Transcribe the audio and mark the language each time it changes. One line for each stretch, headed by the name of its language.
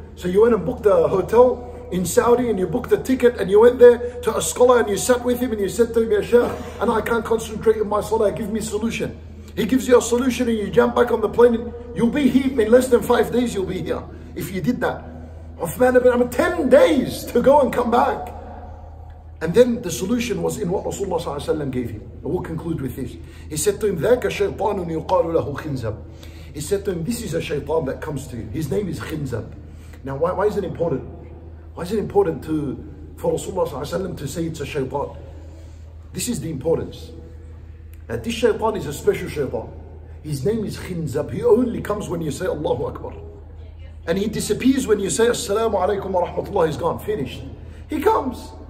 English: So you went and booked a hotel in Saudi and you booked a ticket and you went there to a scholar and you sat with him and you said to him, Ya Sheikh, and I can't concentrate in my salah, give me a solution. He gives you a solution and you jump back on the plane and you'll be here in less than 5 days, you'll be here if you did that. Uthman ibn Amr, 10 days to go and come back. And then the solution was in what Rasulullah sallallahu alayhi wa sallam gave him. And we'll conclude with this. He said to him,
Arabic: ذَاكَ شَيْطَانٌ يُقَالُ لَهُ خِنْزَبْ.
English: He said to him, this is a shaytan that comes to you. His name is Khinzab. Now, why is it important? Why is it important for Rasulullah sallallahu alayhi wa sallam to say it's a shaytan? This is the importance. That this shaytan is a special shaytan. His name is Khinzab. He only comes when you say Allahu Akbar. And he disappears when you say Assalamu alaikum wa rahmatullah. He's gone, finished. He comes.